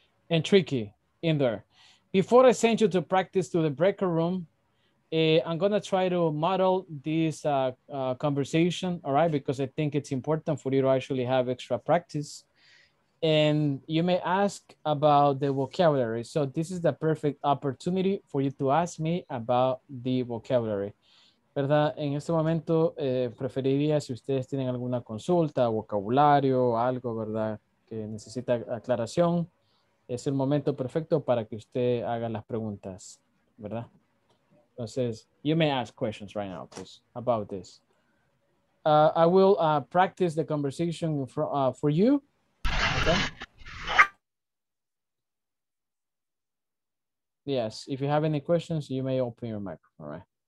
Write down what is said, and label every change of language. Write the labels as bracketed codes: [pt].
[en] And tricky in there. Before I send you to practice to the breaker room, I'm gonna try to model this conversation, all right? Because I think it's important for you to actually have extra practice. And you may ask about the vocabulary. So this is the perfect opportunity for you to ask me about the vocabulary. [es] ¿Verdad? En este momento, preferiría si ustedes tienen alguna consulta, vocabulario, algo, ¿verdad? Que necesita aclaración. Es el momento perfecto para que usted haga las preguntas, ¿verdad? [en] Entonces, you may ask questions right now, please, about this. I will practice the conversation for you. Okay. Yes, if you have any questions, you may open your microphone, all right?